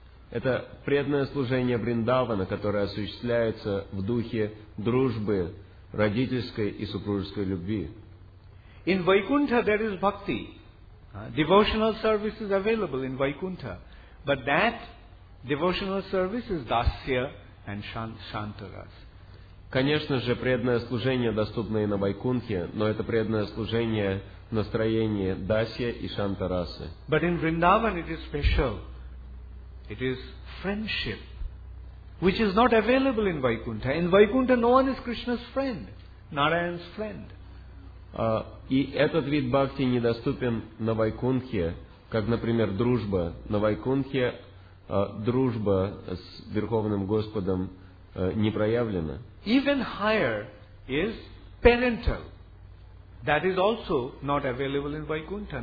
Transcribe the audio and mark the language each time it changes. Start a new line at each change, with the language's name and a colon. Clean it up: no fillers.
Russian: Это преданное служение Вриндавана, которое осуществляется в духе дружбы, родительской и супружеской любви.
English: In Vaikuntha there is bhakti. Devotional service is available in Vaikuntha. But that devotional service is dasya and shantaras.
Russian: Конечно же, преданное служение доступно и на Вайкунхе, но это преданное служение в настроении дасья и шантарасы.
English: But in Vrindavan it is special. It is friendship, which is not available in Vaikuntha. In Vaikuntha no one is Krishna's friend, Narayan's friend.
Russian: И этот вид бхакти недоступен на Вайкунхе, как, например, дружба. На Вайкунхе дружба с Верховным Господом не проявлена.
English: Even higher is parental. That is also not available in Vaikuntha.